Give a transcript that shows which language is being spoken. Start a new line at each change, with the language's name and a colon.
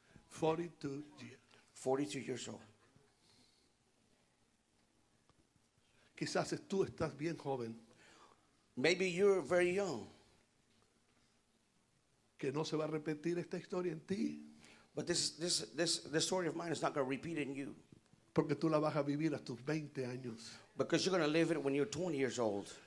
English: 42 years. 42 years old.
Spanish: Quizás tú estás bien joven.
English: Maybe you're very young.
Spanish: Que no se va a repetir esta historia en ti.
English: But this story of mine is not going to repeat in you.
Spanish: Porque tú la vas a vivir a tus 20 años.
English: Because you're going to live it when you're 20 years old.